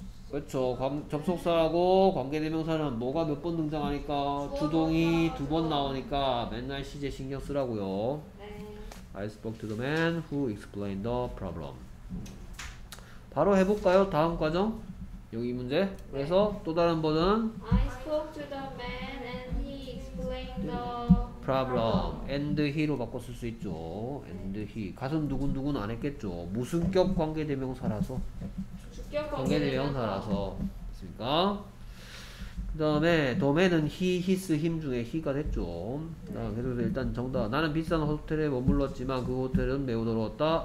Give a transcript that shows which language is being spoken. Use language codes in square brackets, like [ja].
[ko] 그렇죠. 접속사하고 관계대명사는 뭐가 몇번 등장하니까 주동이 두번 나오니까 맨날 시제 신경 쓰라고요. [en] I spoke to the man who explained the problem. [ko] 바로 해볼까요? 다음 과정. 여기 문제. 그래서 또 다른 번은 [en] I spoke to the man and he explained the problem. and he로 [ko] 바꿔 쓸수 있죠. [en] and he. [ko] 가슴 두근두근 안 했겠죠. 무슨격 관계대명사라서. 주격 관계대명사라서. 됐습니까? 그다음에 도매는 he, his, him 중에 he가 됐죠. 자, 그래서 일단 정답. 나는 비싼 호텔에 머물렀지만 그 호텔은 매우 더러웠다.